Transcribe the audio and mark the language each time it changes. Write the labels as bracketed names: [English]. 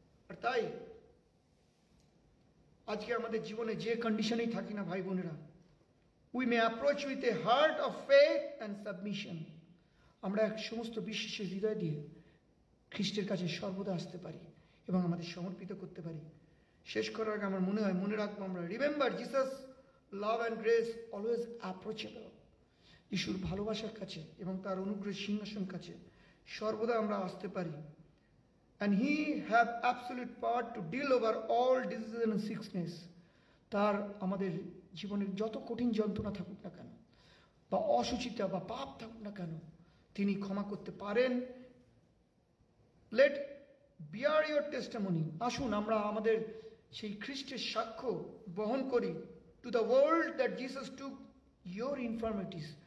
[Bangla] আর তাই আজকে আমাদের জীবনে যে কন্ডিশনেই থাকি না ভাই বোনেরা, [English] we may approach with a heart of faith and submission, [Bangla] আমরা এক সমস্ত বিশ্বাসের হৃদয় দিয়ে খ্রিস্টের কাছে সর্বদা আসতে পারি এবং আমাদের সমর্পিত করতে পারি। শেষ করার আগে আমার মনে হয় মনে রাখবো আমরা, [English] remember Jesus love and grace always approachable, [Bangla] যিশুর ভালোবাসার কাছে এবং তার অনুগ্রহের সিংহাসন কাছে সর্বদা আমরা আসতে পারি। [English] And he have absolute power to deal over all diseases and sickness. [Bangla] তার আমাদের জীবনের যত কঠিন যন্ত্রণা থাকুক না কেন, বা অসুচিতা বা পাপ থাকুক না কেন, তিনি ক্ষমা করতে পারেন। [English] Let bear your testimony. [Bangla] আসুন আমরা আমাদের সেই খ্রিস্টের সাক্ষ্য বহন করি [English] to the world that Jesus took your infirmities.